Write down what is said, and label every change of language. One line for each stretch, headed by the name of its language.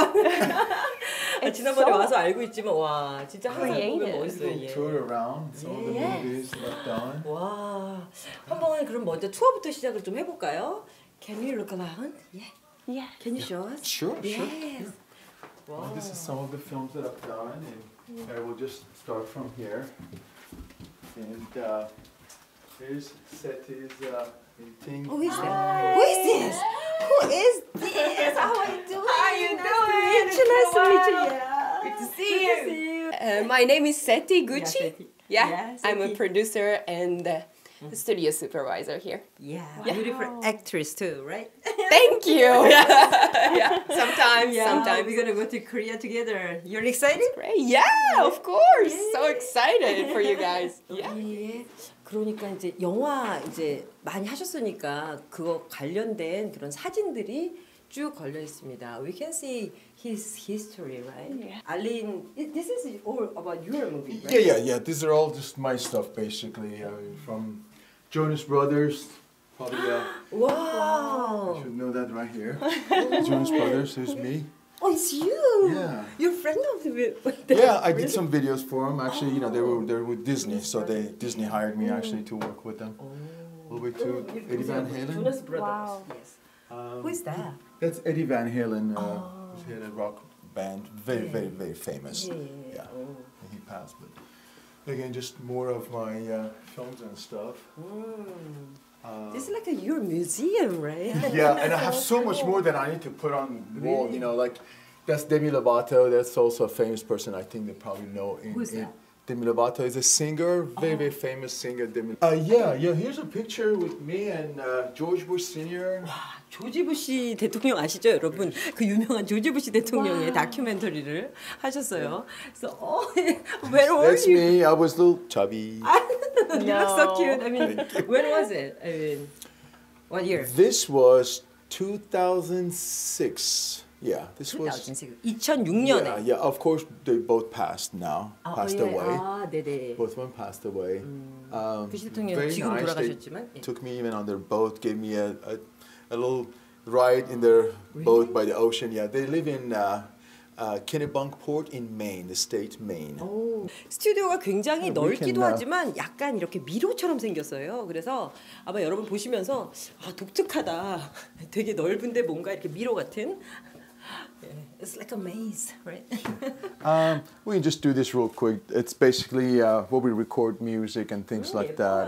English: But
Korean: 지난번에 와서 알고 있지만 와 진짜 항상 보면 멋있어요.
English: Tour around, so all the movies left on.
Korean: 와 한 번은 그럼 먼저 투어부터 시작을 좀 해볼까요?
English: Can you look around? Yeah. Can you show us? Sure. Wow. Well, this is some of the films that I've done, and I will just start from here. And here's Seti's painting. Who is this? Who is this? How are you doing? How are you doing? Nice to meet you. Good to see you. My name is Seti Gucci. Yeah, Seti. I'm a producer and studio supervisor here. Yeah, wow. Beautiful actress too, right? Thank you. Sometimes we're gonna go to Korea together. You're excited? Yeah, of course. Yeah. So excited for you guys. Yeah.
Korean: 그러니까 이제 영화 이제 많이 하셨으니까 그거 관련된 그런 사진들이 쭉 걸려 있습니다.
English: We can see his history, right? Yeah. Alin, this is all about your movie, right? Yeah. These are all just my stuff, basically. From Jonas Brothers, probably. Wow. You should know that right here. Jonas Brothers, there's me. Oh, it's you. Yeah. You're a friend of the. I did some videos for him. Actually, you know, they were with Disney, so Disney hired me actually to work with them. Oh. A little bit to Eddie Van Halen. Jonas Brothers. Wow. Yes. Who is that? That's Eddie Van Halen. He had a rock band, very famous. Yeah. And he passed, but again, just more of my films and stuff. This is like your museum, right? Yeah, and I have so much more that I need to put on the wall. You know, like that's Demi Lovato. That's also a famous person. I think they probably know. Who's that? Demi Lovato is a singer, very famous singer. Demi. Here's a picture with me and George Bush Senior.
Korean: 조지 부시 대통령 아시죠, 여러분? 그 유명한 조지 부시 대통령의 다큐멘터리를 하셨어요.
English: So, where were that's you? That's me. I was little chubby. No. You look so cute. I mean, when was it? I mean, what year? This was 2006. Yeah, this was
Korean: 2006년에.
English: Yeah, of course, they both passed away. Both of them passed away. Very nice. Took me even on their boat, gave me a little ride in their boat by the ocean. Yeah, they live in Kennebunkport in Maine, the state Maine.
Korean: Oh, 스튜디오가 굉장히 넓기도 하지만 약간 이렇게 미로처럼 생겼어요. 그래서 아마 여러분 보시면서 아 독특하다. 되게 넓은데 뭔가 이렇게 미로 같은.
English: It's like a maze, right? We just do this real quick. It's basically where we record music and things like that.